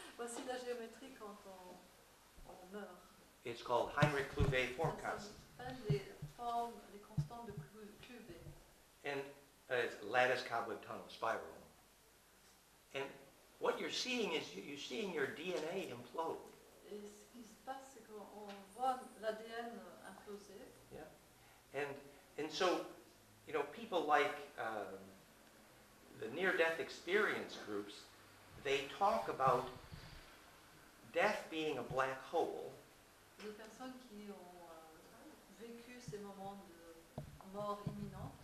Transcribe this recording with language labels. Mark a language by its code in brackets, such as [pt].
[fr] Voici la géométrie quand on meurt. [en] It's called Heinrich Cluvet form constant. [fr] Les constantes de Cluvet. [en] And it's lattice cobweb tunnel spiral. And what you're seeing is you're seeing your DNA implode. [fr] Et ce qui se passe, c'est qu'on voit l'ADN imploser. [en] Yeah. And so, you know, people like the near-death experience groups, they talk about death being a black hole. [fr] Les personnes qui ont vécu ces moments de mort imminente